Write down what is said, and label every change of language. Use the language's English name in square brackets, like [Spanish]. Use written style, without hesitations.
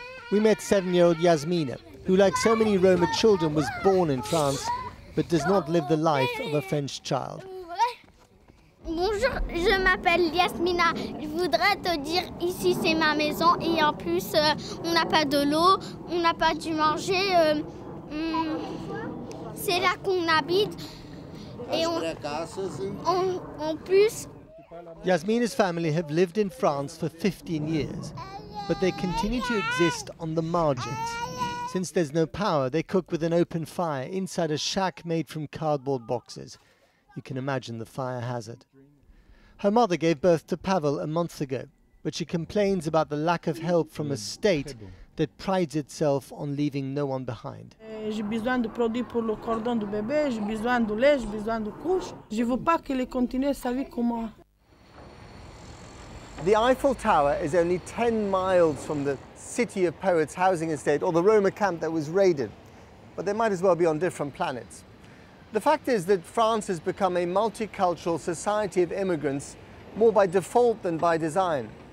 [English] We met 7-year-old Yasmina, who, like so many Roma children, was born in France, but does not live the life of a French child. [French] Bonjour, je m'appelle Yasmina. Je voudrais te dire, ici c'est ma maison, et en plus, on n'a pas de l'eau, on n'a pas du manger. C'est là qu'on habite et en plus. [English] Yasmina's family have lived in France for 15 years, but they continue to exist on the margins. Since there's no power, they cook with an open fire inside a shack made from cardboard boxes. You can imagine the fire hazard. Her mother gave birth to Pavel a month ago, but she complains about the lack of help from a state that prides itself on leaving no one behind. [French] J'ai besoin de produits pour le cordon du bébé, j'ai besoin de lait, j'ai besoin de couches. Je veux pas qu'il continue sa vie comme moi. [English] The Eiffel Tower is only 10 miles from the City of Poets housing estate, or the Roma camp that was raided. But they might as well be on different planets. The fact is that France has become a multicultural society of immigrants, more by default than by design.